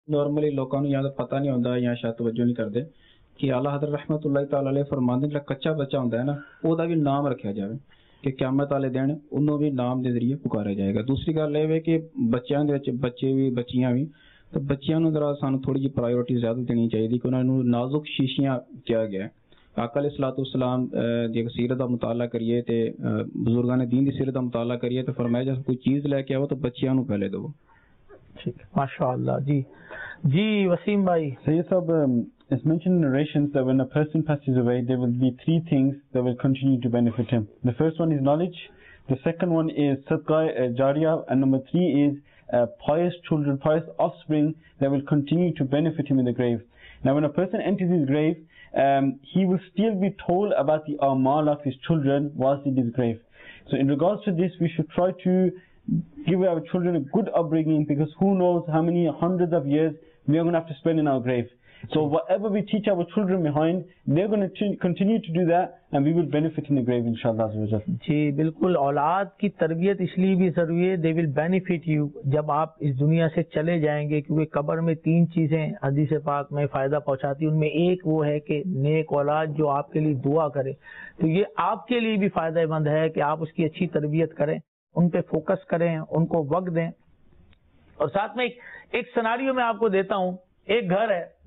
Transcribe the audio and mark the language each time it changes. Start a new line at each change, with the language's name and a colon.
Punjabi: Normally لوکاں نو یہاں تک پتہ نہیں ہوندا یا شاید توجہ نہیں کردے کہ اعلی حضرت رحمۃ اللہ تعالی علیہ فرماندے ہیں کچا بچہ ہوندا ہے نا او دا وی نام رکھیا جاوے کہ قیامت والے دن انہوں بھی نام دے ذریعے پکارا جائے گا دوسری گل یہ کہ بچوں کے بچے بھی بچیاں بھی تو بچیاں ذرا سانو تھوڑی جی پرائیورٹی زیادہ دینی چاہیے کہ انہوں نے نازک شیشیاں کیا گیا آقا علیہ الصلوۃ والسلام دی سیرت کا مطالعہ کریے تو بزرگان دین کی سیرت کا مطالعہ کریے تو فرمایا جب کوئی چیز لے کے آو تو بچیاں پہلے دو
Urdu: ماشاء اللہ جی جی وسیم بھائی
English: سید صاحب It's mentioned in narrations that when a person passes away, there will be three things that will continue to benefit him. The first one is knowledge. The second one is sadqah jariyah. And number three is pious children, pious offspring that will continue to benefit him in the grave. Now, when a person enters his grave, he will still be told about the amal of his children whilst in his grave. So in regards to this, we should try to give our children a good upbringing, because who knows how many hundreds of years we are going to have to spend in our grave. So whatever we teach our children behind, they're going to continue to do that, and we will benefit in the grave, inshallah.
Urdu: جی بالکل اولاد کی تربیت اس لیے بھی ضروری ہے
English: they will benefit you
Urdu: جب آپ اس دنیا سے چلے جائیں گے کیونکہ قبر میں تین چیزیں حدیث پاک میں فائدہ پہنچاتی ہیں ان میں ایک وہ ہے کہ نیک اولاد جو آپ کے لیے دعا کرے تو یہ آپ کے لیے بھی فائدہ مند ہے کہ آپ اس کی اچھی تربیت کریں ان پہ فوکس کریں ان کو وقت دیں اور ساتھ میں ایک سناریو میں آپ کو دیتا ہوں ایک گھر ہے